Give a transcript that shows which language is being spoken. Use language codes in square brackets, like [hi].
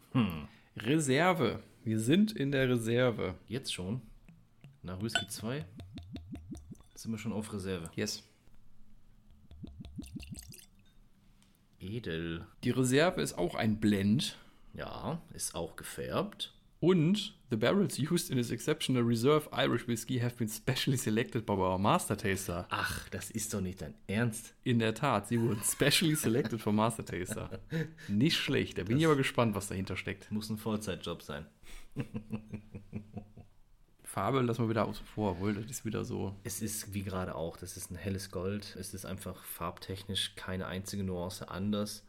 [de] Hm. Reserve. Wir sind in der Reserve. Jetzt schon? Nach Whiskey 2 sind wir schon auf Reserve. [en] Yes. [de] Edel. Die Reserve ist auch ein Blend. Ja, ist auch gefärbt. [en] Und the barrels used in this exceptional reserve Irish whiskey have been specially selected by our master taster. [de] Ach, das ist doch nicht dein Ernst. In der Tat, sie wurden [en] specially selected for master taster. [de] Nicht schlecht, da bin ich aber gespannt, was dahinter steckt. Muss ein Vollzeitjob sein. Farbe lassen wir wieder aus vor, obwohl das ist wieder so. Es ist wie gerade auch, das ist ein helles Gold. Es ist einfach farbtechnisch keine einzige Nuance anders.